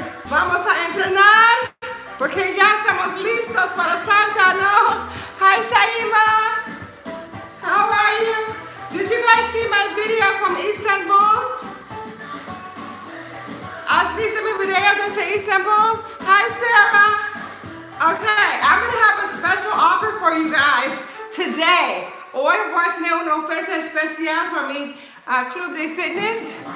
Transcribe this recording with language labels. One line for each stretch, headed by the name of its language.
Spanish: Vamos a entrenar, porque ya estamos listos para Santa, ¿no?
English: Hi, Shaima. How are you? Did you guys see my video from Istanbul?
Spanish: ¿Has visto mi video desde Istanbul?
English: Hi, Sarah. Okay, I'm going to have a special offer for you guys today.
Spanish: Hoy voy a tener una oferta especial para mi club de fitness.